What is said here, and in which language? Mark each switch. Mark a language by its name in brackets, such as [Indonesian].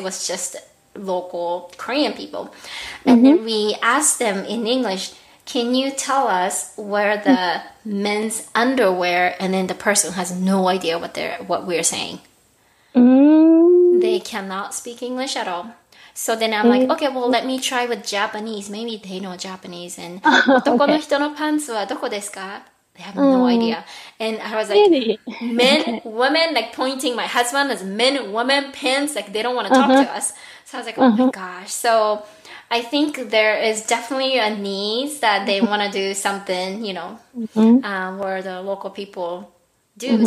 [English] It was just local Korean people, and then we asked them in English, can you tell us where the men's underwear, and then the person has no idea what we're saying. They cannot speak English at all. So then I'm like, okay, well, let me try with Japanese. Maybe they know Japanese. [Japanese] And 男の人のパンツはどこですか? [English] They have no idea. And I was like, really? Men, women, like pointing my husband as men, women, pants, like they don't want to talk to us. So I was like, oh my gosh. So... I think there is definitely a need that they want to do something, you know, where the local people do.